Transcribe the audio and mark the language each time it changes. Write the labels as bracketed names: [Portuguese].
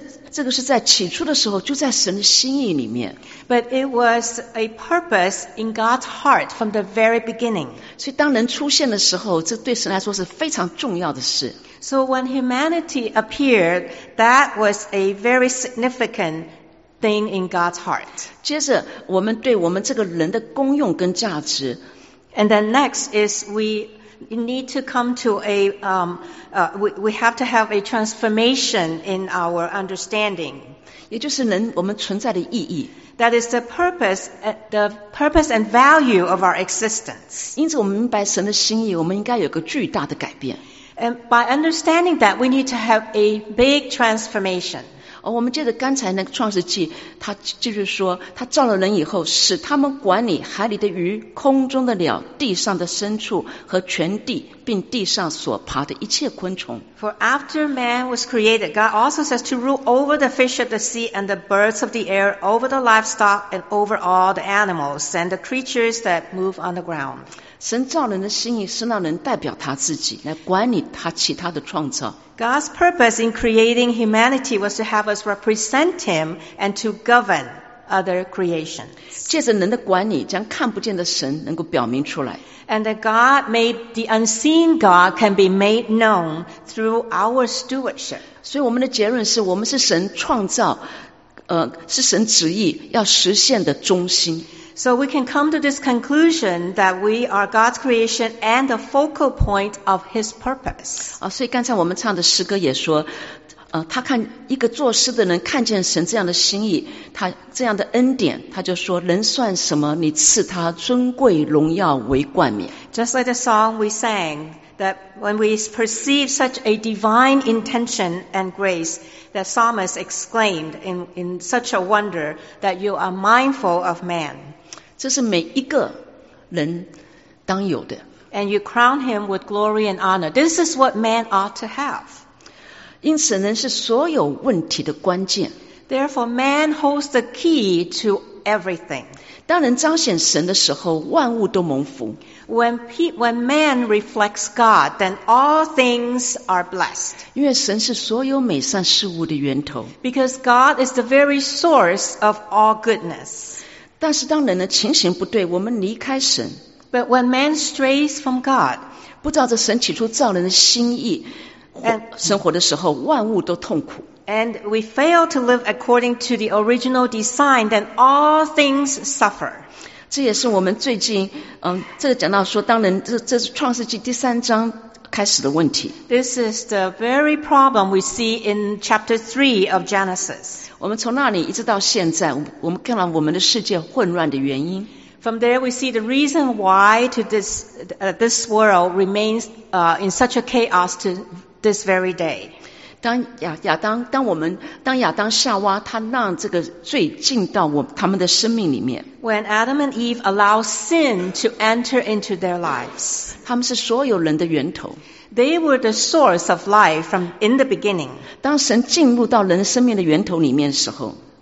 [Chinese] 这个是在起初的时候就在神的心意里面。 [English] But it was a purpose in God's heart from the very beginning. [Chinese] 所以当人出现的时候，这对神来说是非常重要的事。 [English] So when humanity appeared, that was a very significant thing in God's heart. [Chinese] 接着我们对我们这个人的功用跟价值。 [English] And then next is we need to come to we have to have a transformation in our understanding. [Chinese] 也就是人我们存在的意义。 [English] That is the purpose and value of our existence. [Chinese] 因此我们明白神的心意，我们应该有个巨大的改变。 [English] And by understanding that, we need to have a big transformation. [Chinese] 我们接着刚才那个创世纪，他继续说，他造了人以后，使他们管理海里的鱼、空中的鸟、地上的牲畜和全地，并地上所爬的一切昆虫。 [English] For after man was created, God also says to rule over the fish of the sea and the birds of the air, over the livestock and over all the animals and the creatures that move on the ground. [Chinese] 神造人的心意是让人代表他自己，来管理他其他的创造。 [English] God's purpose in creating humanity was to have us represent him and to govern other creations. [Chinese] 借着人的管理，将看不见的神能够表明出来。 [English] And that God made the unseen God can be made known through our stewardship. [Chinese] 所以我们的结论是，我们是神创造，是神旨意要实现的中心。 [English] So we can come to this conclusion that we are God's creation and the focal point of his purpose. [Chinese] 所以刚才我们唱的诗歌也说，他看一个作诗的人看见神这样的心意，他这样的恩典，他就说，人算什么，你赐他尊贵荣耀为冠冕。 [English] Just like the song we sang, that when we perceive such a divine intention and grace, the psalmist exclaimed in such a wonder that you are mindful of man. [Chinese] 这是每一个人当有的。 [English] And you crown him with glory and honor. This is what man ought to have. [Chinese] 因此人是所有问题的关键。 [English] Therefore, man holds the key to everything. [Chinese] 当人彰显神的时候，万物都蒙福。 [English] When man reflects God, then all things are blessed. [Chinese] 因为神是所有美善事物的源头。 [English] Because God is the very source of all goodness. [Chinese] 但是当人的情形不对，我们离开神。 [English] But when man strays from God, [Chinese] 不照着神起初造人的心意生活的时候，万物都痛苦。 [English] And we fail to live according to the original design, then all things suffer. [Chinese] 这也是我们最近，这个讲到说，当人，这是创世纪第三章开始的问题。 [English] This is the very problem we see in chapter 3 of Genesis. [Chinese] 我们从那里一直到现在，我们看到我们的世界混乱的原因。 [English] From there, we see the reason why to this world remains in such a chaos to this very day. [Chinese] 当我们当亚当夏娃，他让这个罪进到他们的生命里面。 [English] When Adam and Eve allow sin to enter into their lives, [Chinese] 他们是所有人的源头。 [English] They were the source of life from in the beginning. [Chinese] 当神进入到人生命的源头里面的时候。